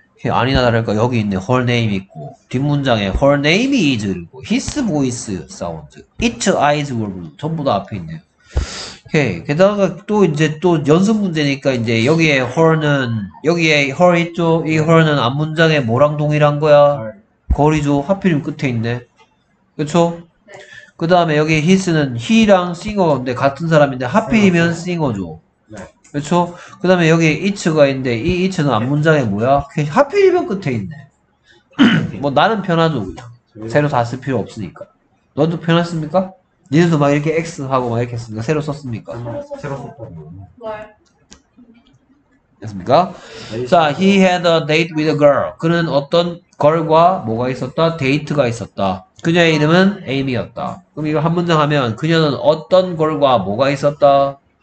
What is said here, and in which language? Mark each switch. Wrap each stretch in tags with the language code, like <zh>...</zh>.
<ko>아니나 다를까 여기 있는 her name 있고 뒷문장에</ko> <en>her name is</en> <ko>그리고</ko> <en>his voice sound its eyes were blue</en> <ko>전부 다 앞에 있네요 오케이 게다가 또 이제 또 연습 문제니까 이제 여기에 her는 여기에 her 있죠 이 her는 앞문장에 뭐랑 동일한 거야 거리죠 하필이면 끝에 있네 그쵸 그 다음에 여기 his는 he랑 singer인데 같은 사람인데 하필이면 singer죠 그렇죠? 그 다음에 여기 it가 있는데 이 it는 앞문장에 뭐야? 하필이면 끝에 있네. 뭐 나는 편하죠. 그냥. 새로 다 쓸 필요 없으니까. 너도 편했습니까? 니네도 막 이렇게 x 하고 막 이렇게 했습니까? 새로 썼습니까? 새로 썼다고요. 됐습니까? 자,</ko> <en>he had a date with a girl.</en> <ko>그는 어떤 걸과 뭐가 있었다? 데이트가 있었다. 그녀의 이름은 Amy였다. 그럼 이거 한 문장 하면 그녀는 어떤 걸과 뭐가 있었다?</ko>